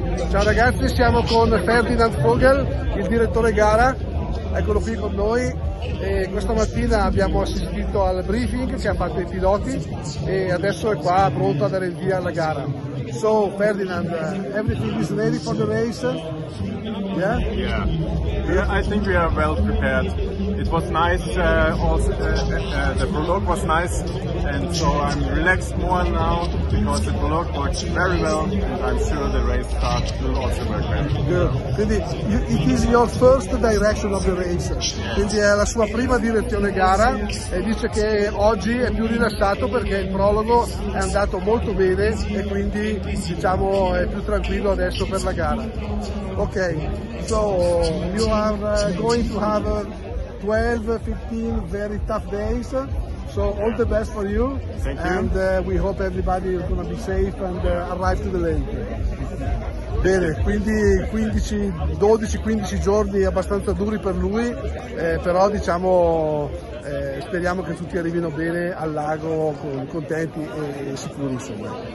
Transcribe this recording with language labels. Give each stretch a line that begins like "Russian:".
Italian: Ciao ragazzi, siamo con Ferdinand Vogel, il direttore gara, eccolo qui con noi. E questa mattina abbiamo assistito al briefing che ha fatto i piloti e adesso è qua pronto a dare il via alla gara.
English: So Ferdinand, everything is ready for the race? Yeah, I think we are well prepared. It was nice, the prologue was nice, and so I'm relaxed more now because the prologue works very well, and I'm sure the race start will also work well. Good. It is your first direction of the race.
Italian: Quindi è la sua prima direzione gara e dice che oggi è più rilassato perché il prologo è andato molto bene e quindi diciamo è più tranquillo adesso per la gara.
English: Ok, so you are going to have 12-15 very tough days, so all the best for you. Thank you. And we hope everybody is going to be safe and arrive to the lake.
Italian: Bene, quindi 12-15 giorni abbastanza duri per lui, però diciamo speriamo che tutti arrivino bene al lago contenti e sicuri, insomma.